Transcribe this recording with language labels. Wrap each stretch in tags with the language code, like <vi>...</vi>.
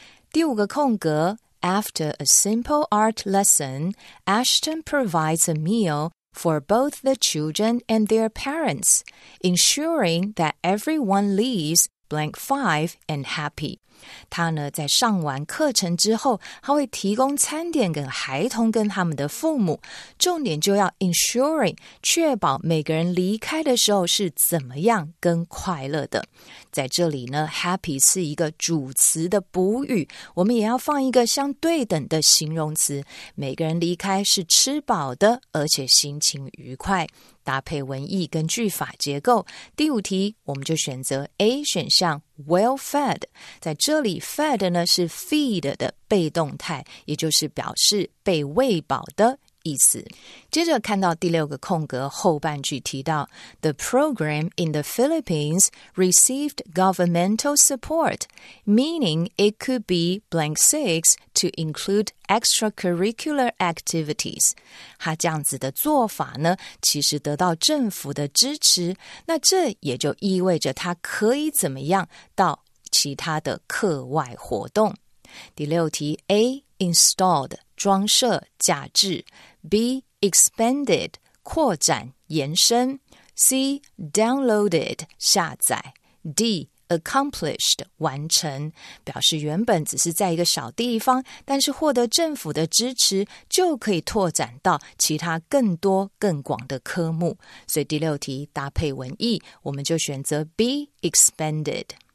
<zh>第五个空格</zh> <en>After a simple art lesson, Ashton provides a meal for both the children and their parents, ensuring that everyone leaves blank five and happy.</en> <zh>他呢在上完课程之后，他会提供餐点给孩童跟他们的父母，重点就要 ensuring 确保每个人离开的时候是怎么样跟快乐的。在这里呢 happy 是一个主词的补语，我们也要放一个相对等的形容词，每个人离开是吃饱的，而且心情愉快，搭配文意跟句法结构。第五题我们就选择 A 选项 well fed， 在这里 fed 呢是 feed 的被动态，也就是表示被喂饱的意思。接着看到第六个空格后半句提到</zh> <en>The program in the Philippines received governmental support, meaning it could be blank six to include extracurricular activities.</en> <zh>他这样子的做法呢其实得到政府的支持，那这也就意味着他可以怎么样到其他的课外活动。第六题 A installed 装设架置， B expanded 扩展延伸， C downloaded 下载， D accomplished 完成，表示原本只是在一个小地方，但是获得政府的支持就可以拓展到其他更多更广的科目，所以第六题搭配文意我们就选择 B expanded。</zh>